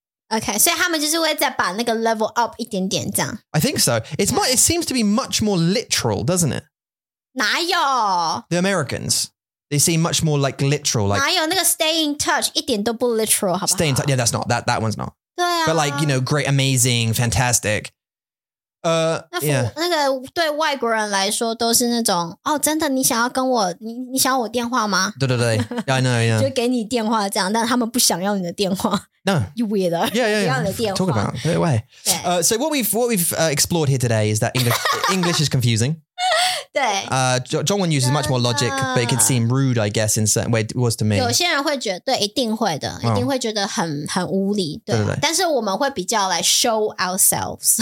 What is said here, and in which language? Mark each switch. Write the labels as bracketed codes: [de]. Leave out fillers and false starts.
[en] Okay. So [zh] 他们就是会再把那个 [en] level up [zh] 一点点这样. [en] I think so. It seems to be much more literal, doesn't it? [zh] 哪有? [en] The Americans, they seem much more like literal. Like, [zh] 哪有那个 [en] stay in touch [zh] 一点都不 literal, 好不好? [en] Stay in touch, yeah, that's not, that one's not. [zh] 对啊。 [en] But like, you know, great, amazing, fantastic. [zh] 那个对外国人来说都是那种, 哦,真的,你想要跟我, 你想要我电话吗? 对对对, [en] yeah, I know, yeah. [zh] 就给你电话这样, 但他们不想要你的电话。 [en] No. You weirdo. Yeah, yeah, yeah. Talk about, no way. So what we've explored here today is that English is confusing. [zh] 对, [en] 中文 uses much more logic, but it can seem rude, I guess, in certain way. It was to me. [zh] 有些人会觉得,对,一定会的,一定会觉得很无理, 对,但是我们会比较来 [en] show ourselves.